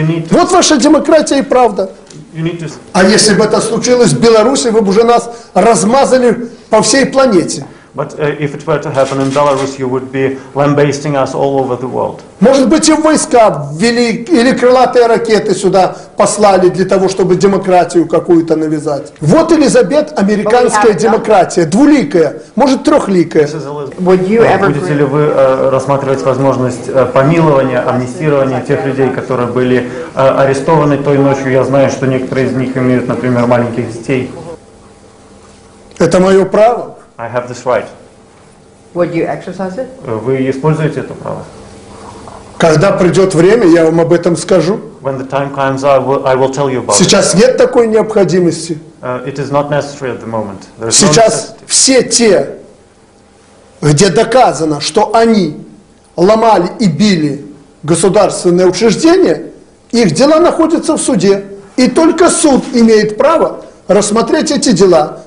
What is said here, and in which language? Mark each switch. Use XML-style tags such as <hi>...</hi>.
<ru>Вот ваша демократия и правда. А если бы это случилось в Беларуси, вы бы уже нас размазали по всей планете.</ru> <en>But if it were to happen in Belarus, you would be lambasting us all over the world.</en> <ru>Может быть, и войска ввели или крылатые ракеты сюда послали для того, чтобы демократию какую-то навязать. Вот Элизабет, американская демократия, двуликая, может, трехликая. Будете ли вы рассматривать возможность помилования, амнистирования тех людей, которые были арестованы той ночью? Я знаю, что некоторые из них имеют, например, маленьких детей. Это мое право.</ru> <en>I have this right. Would you exercise it?</en> <ru>Вы используете это право? Когда придет время, я вам об этом скажу.</ru> <en>When the time comes, I will tell you about</en> <ru>Сейчас</ru> <en>it.</en> <ru>Нет такой необходимости.</ru> <en>It is not necessary at the moment. There's</en> <ru>Сейчас</ru> <en>no</en> <ru>все те, где доказано, что они ломали и били государственные учреждения, их дела находятся в суде. И только суд имеет право рассмотреть эти дела.</ru>